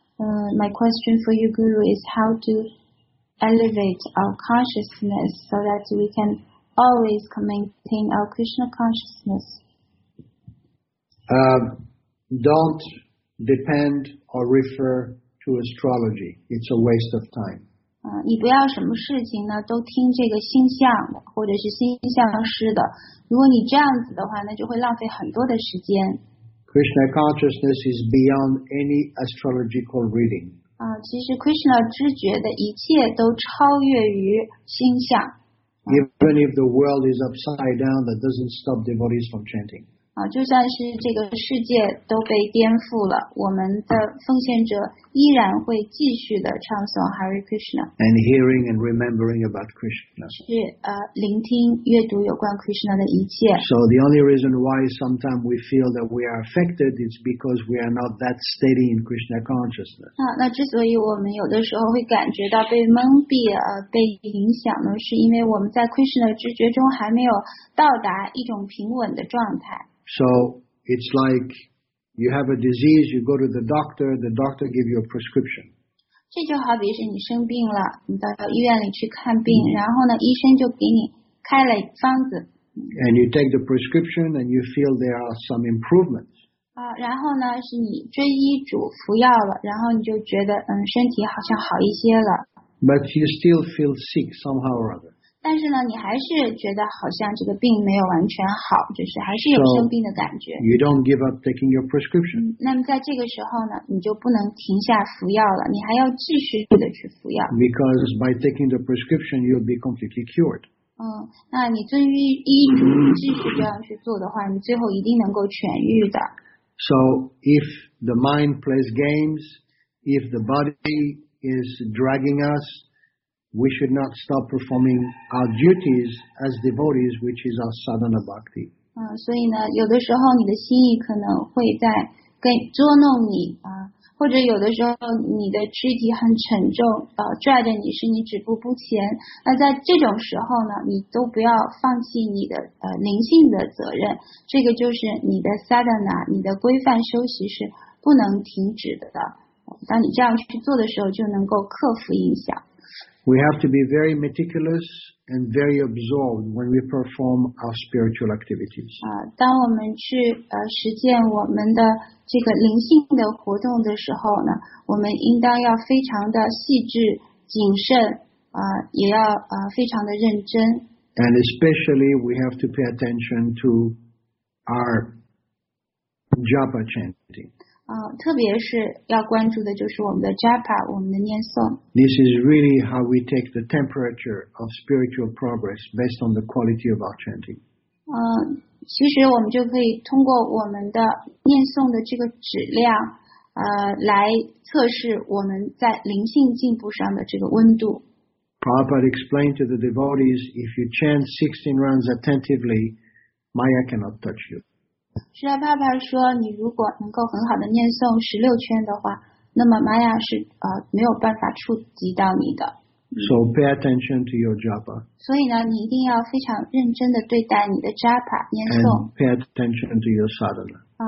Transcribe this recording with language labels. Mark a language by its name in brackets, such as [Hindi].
[English] My question for you, Guru, is how to elevate our consciousness so that we can always maintain our Krishna consciousness. Don't depend or refer to astrology. It's a waste of time. [Chinese] 你不要什么事情呢都听这个星象或者是星象师的，如果你这样子的话，那就会浪费很多的时间。 [English] Krishna consciousness is beyond any astrological reading. [Chinese] 其实 Krishna 知觉的一切都超越于星象。 [English] Even if the world is upside down, that doesn't stop devotees from chanting. [Chinese] 就算是这个世界都被颠覆了，我们的奉献者依然会继续的唱诵 Hare Krishna. [English] And hearing and remembering about Krishna. [Chinese] 是聆听阅读有关 Krishna 的一切。 [English] So the only reason why sometimes we feel that we are affected is because we are not that steady in Krishna consciousness. [Chinese] 那之所以我们有的时候会感觉到被蒙蔽被影响呢，是因为我们在 Krishna 知觉中还没有到达一种平稳的状态。 [English] So it's like you have a disease, you go to the doctor gives you a prescription. [Chinese] 这就好比是你生病了，你到医院里去看病，然后呢，医生就给你开了方子。 [English] And you take the prescription and you feel there are some improvements. [Chinese] 然后呢，是你遵医嘱服药了，然后你就觉得身体好像好一些了。 [English] But you still feel sick somehow or other. [Chinese] 但是呢，你还是觉得好像这个病没有完全好，就是还是有生病的感觉。 [English] So, you don't give up taking your prescription. [Chinese] 那么在这个时候呢，你就不能停下服药了，你还要继续的去服药。 [English] Because by taking the prescription, you'll be completely cured. 那你遵医嘱继续这样去做的话，你最后一定能够痊愈的。 So if the mind plays games, if the body is dragging us. We should not stop performing our duties as devotees, which is our sadhana bhakti. [Chinese] 所以呢，有的时候你的心意可能会在跟捉弄你啊，或者有的时候你的肢体很沉重啊，拽着你使你止步不前。那在这种时候呢，你都不要放弃你的灵性的责任。这个就是你的 sadhana， 你的规范休息是不能停止的。当你这样去做的时候，就能够克服影响。 [English] We have to be very meticulous and very absorbed when we perform our spiritual activities. [Chinese] 当我们去实践我们的这个灵性的活动的时候呢，我们应当要非常的细致谨慎，也要非常的认真。 [English] And especially we have to pay attention to our japa chanting. [Chinese] 特别是要关注的就是我们的 japa， 我们的念诵。 [English] This is really how we take the temperature of spiritual progress based on the quality of our chanting. [Chinese] 其实我们就可以通过我们的念诵的这个质量，来测试我们在灵性进步上的这个温度。 [English] Prabhupada explained to the devotees, if you chant 16 rounds attentively, Maya cannot touch you. [Chinese] 释迦牟尼佛说，你如果能够很好的念诵十六圈的话，那么玛雅是没有办法触及到你的。 [English] So pay attention to your japa. [Chinese] 所以呢，你一定要非常认真的对待你的 japa 念诵。 [English] And pay attention to your sadhana.